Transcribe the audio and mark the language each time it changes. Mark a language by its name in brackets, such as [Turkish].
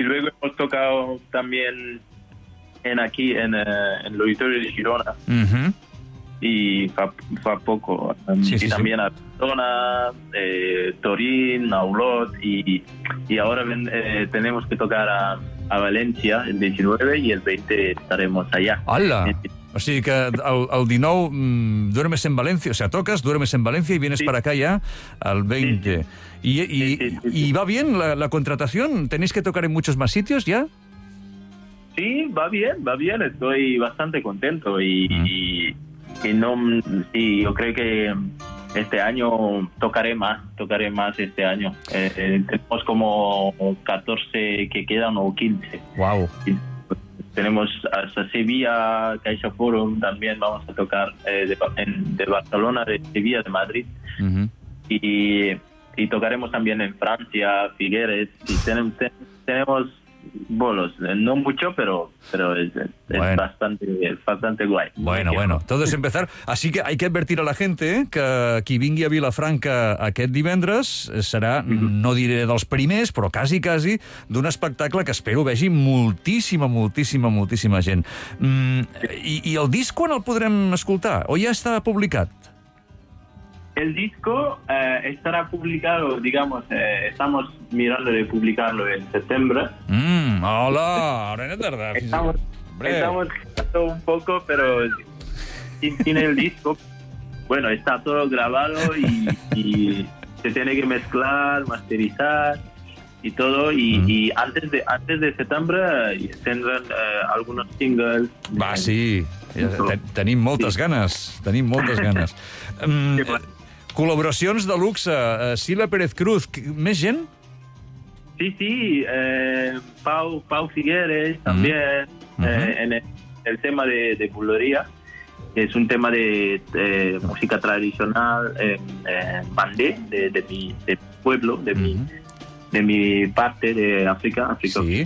[Spanish] Mm-hmm. Y luego hemos tocado también en el Auditorio de Girona. Mm-hmm. Y fa poco. Sí, y sí, también sí. A Barcelona, Torín, Aulot. Y ahora tenemos que tocar a Valencia el 19 y el 20 estaremos allá. ¡Hala! [Catalan] O sigui que [Spanish] el 19 duermes en València, o sea, toques, duermes en València i vienes sí. Para acá ya al 20. Sí, sí. Y va bien la contratación? ¿Tenéis que tocar en muchos más sitios ya? Sí, va bien. Estoy bastante contento y yo creo que este año tocaré más este año. Tenemos como 14 que quedan o 15. ¡Guau! Wow. Tenemos hasta Sevilla, Caixa Forum, también vamos a tocar de Barcelona, de Sevilla, de Madrid. Uh-huh. Y tocaremos también en Francia, Figueres. Y tenemos bolos, no mucho, pero es bastante guay. Bueno, todo es empezar. Así que hay que advertir a la gente que [Catalan] qui vingui a Vilafranca aquest divendres serà, no diré dels primers, però quasi, d'un espectacle que espero vegi moltíssima, moltíssima, moltíssima gent. I el disc quan el podrem escoltar? O ja està publicat? [Spanish] El disco estará publicado, digamos, estamos mirando de publicarlo en septiembre. Hola, ahora no tarda. Estamos un poco, pero sin el disco, bueno, está todo grabado y se tiene que mezclar, masterizar y todo. Y antes de septiembre tendrán algunos singles. [Catalan] Va, sí, tenim moltes ganes, tenim moltes ganes. Col·laboracions de luxe, Sila Pérez Cruz, més gent? Sí, sí, Pau Figueres, també, en el tema de Bulería, que és un tema de música tradicional, bandé, [Spanish] de mi pueblo, de mi parte de África, África sí.